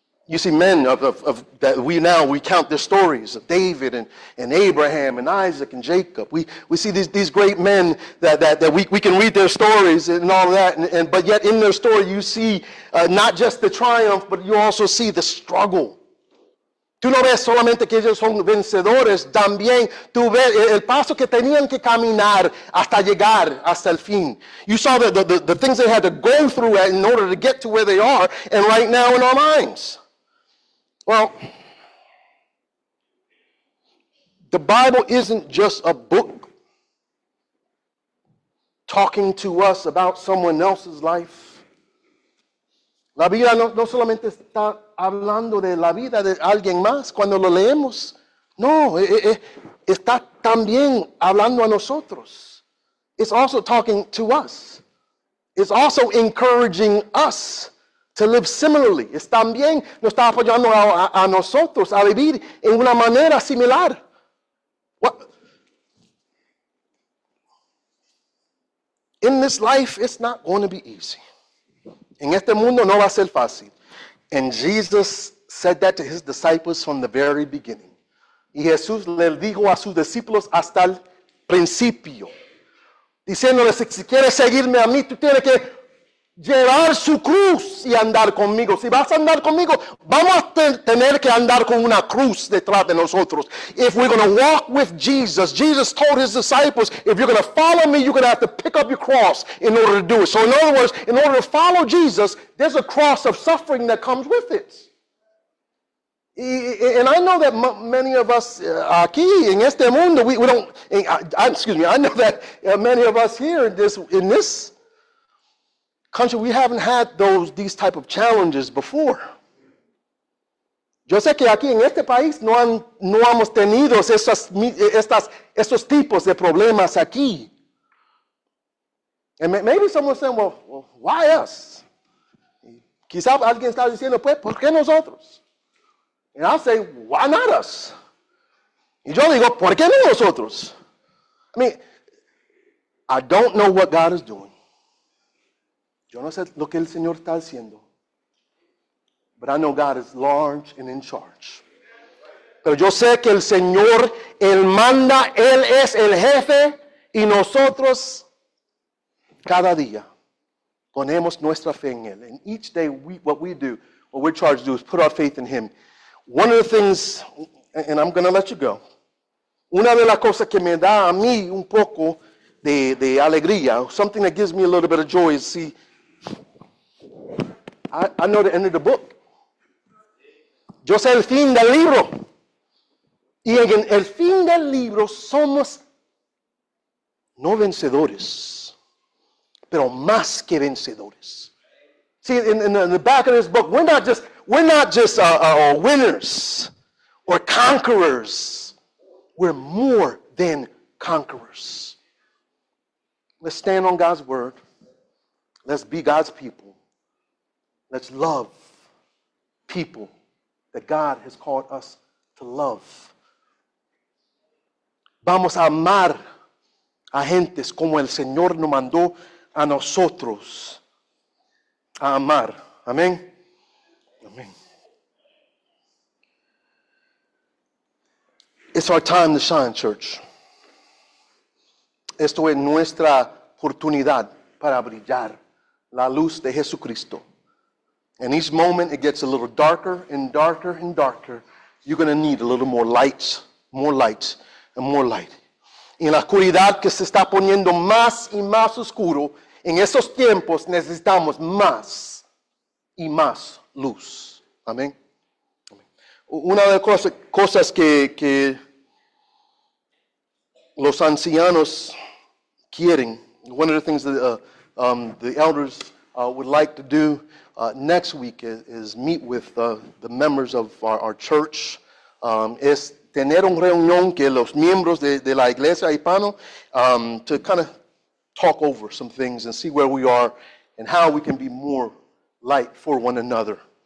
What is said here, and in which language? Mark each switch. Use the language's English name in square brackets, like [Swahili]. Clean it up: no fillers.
[English] You see men of that we count their stories of David and Abraham and Isaac and Jacob. We see these great men that we can read their stories and all that. And but yet in their story, you see not just the triumph, but you also see the struggle. [Spanish] Tú no ves solamente que ellos son vencedores, también tú ves el paso que tenían que caminar hasta llegar hasta el fin. [English] You saw the things they had to go through in order to get to where they are, and right now in our minds. Well, the Bible isn't just a book talking to us about someone else's life. [Spanish] La Biblia no solamente está hablando de la vida de alguien más cuando lo leemos. No, está también hablando a nosotros. [English] It's also talking to us. It's also encouraging us to live similarly. [Spanish] Es también nos está apoyando a nosotros a vivir en una manera similar. [English] In this life, it's not going to be easy. [Spanish] En este mundo no va a ser fácil. [English] And Jesus said that to his disciples from the very beginning. [Spanish] Y Jesús le dijo a sus discípulos hasta el principio. Diciéndoles, si quieres seguirme a mí, tú tienes que llevar su cruz y andar conmigo. Si vas a andar conmigo, vamos a tener que andar con una cruz detrás de nosotros. [English] If we're going to walk with Jesus, Jesus told his disciples, if you're going to follow me, you're going to have to pick up your cross in order to do it. So in other words, in order to follow Jesus, there's a cross of suffering that comes with it. And I know that many of us [Spanish] aquí, en este mundo, [English] I know that many of us here in this country, we haven't had these type of challenges before. [Spanish] Yo sé que aquí en este país no hemos tenido esos tipos de problemas aquí. [English] And maybe someone's saying, well, why us? [Spanish] Quizá alguien está diciendo, pues, ¿por qué nosotros? [English] And I say, why not us? [Spanish] Y yo digo, ¿por qué no nosotros? [English] I mean, I don't know what God is doing. [Spanish] Yo no sé lo que el Señor está haciendo. [English] But I know God is large and in charge. [Spanish] Pero yo sé que el Señor, Él manda, Él es el jefe. Y nosotros, cada día, ponemos nuestra fe en Él. [English] And each day, what we're charged to do is put our faith in Him. One of the things, and I'm going to let you go. [Spanish] Una de las cosas que me da a mí un poco de alegría, [English] something that gives me a little bit of joy is, see, I know the end of the book. [Spanish] Yo sé el fin del libro. Y en el fin del libro somos no vencedores, pero más que vencedores. [English] See, in the back of this book, we're not just winners or conquerors. We're more than conquerors. Let's stand on God's word. Let's be God's people. Let's love people that God has called us to love. [Spanish] Vamos a amar a gentes como el Señor nos mandó a nosotros a amar. Amén. [English] It's our time to shine, church. [Spanish] Esto es nuestra oportunidad para brillar la luz de Jesucristo. [English] And each moment it gets a little darker and darker and darker. You're going to need a little more lights, and more light. [Spanish] En la oscuridad que se está poniendo más y más oscuro, en esos tiempos necesitamos más y más luz. Amén. Una de las cosas que los ancianos quieren, [English] one of the things that the elders would like to do next week is meet with the members of our church, [Spanish] es tener una reunión que los miembros de la iglesia hispano [English] to kind of talk over some things and see where we are and how we can be more light for one another.